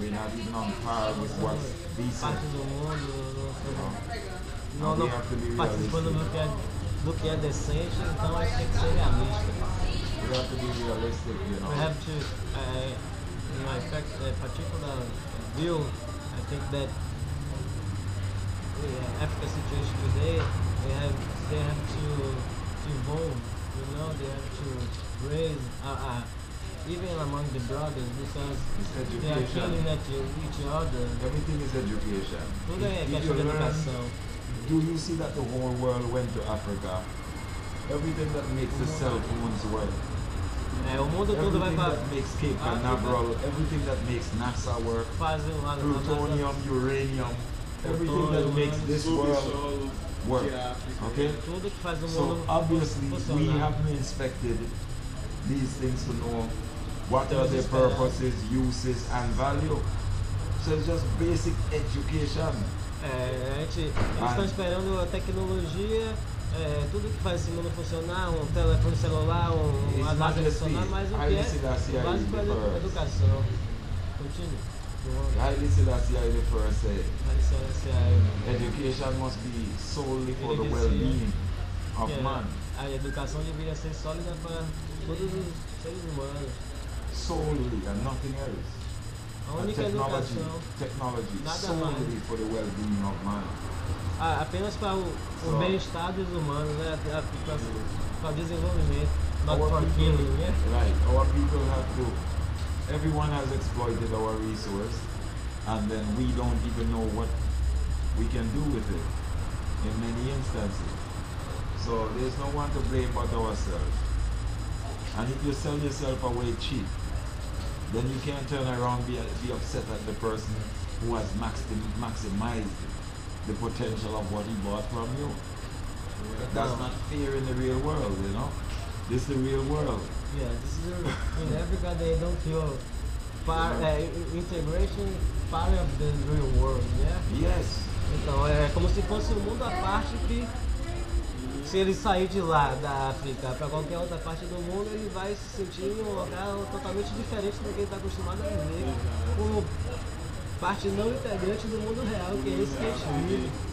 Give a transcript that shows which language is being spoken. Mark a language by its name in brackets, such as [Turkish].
[English] We're not even on par with what's decent. [Portuguese] Parte do mundo, não [English] have to be [Portuguese] participando do que é decente, então a gente tem que ser realista. [English] We have to be realistic, you know. We have to, in my particular view, I think that the African situation today, they have to evolve, you know, they have to raise even among the brothers, because they are killing each other. Everything is education. [Portuguese] Tudo é questão de educação. [English] Do you see that the whole world went to Africa? Everything that makes the cell phones work. Everything that makes Cape Canaveral, everything that makes NASA work, plutonium, uranium, everything that makes this world work. Okay? So obviously we have to inspect these things to know what are their purposes, uses and value. So it's just basic education. [Portuguese] Eles estão esperando a tecnologia, tudo que faz esse mundo funcionar, um telefone celular, uma nave funcionar, mas o que é básico é educação. [English] Continue. Haile Selassie I refer to say, education must be solely for the well-being of man. [Portuguese] A educação deveria ser sólida para todos os seres humanos. [English] Solely and nothing else. A technology solely for the well-being of man. [Portuguese] Apenas para o bem-estar dos humanos, né? Para desenvolvimento, [English] not for killing, right? Our people have to. Everyone has exploited our resource, and then we don't even know what we can do with it in many instances. So there's no one to blame but ourselves. And if you sell yourself away cheap, then you can't turn around be upset at the person who has maximized the potential of what he bought from you. That's not fair in the real world, you know? This is the real world. Yeah, this is in Africa they don't feel part, integration part of the real world, yeah? Yes. [Portuguese] Então é como se fosse um mundo à parte que se ele sair de lá, da África, para qualquer outra parte do mundo, ele vai se sentir em um lugar totalmente diferente do que ele está acostumado a viver. Como parte não integrante do mundo real, que é esse que a gente vive.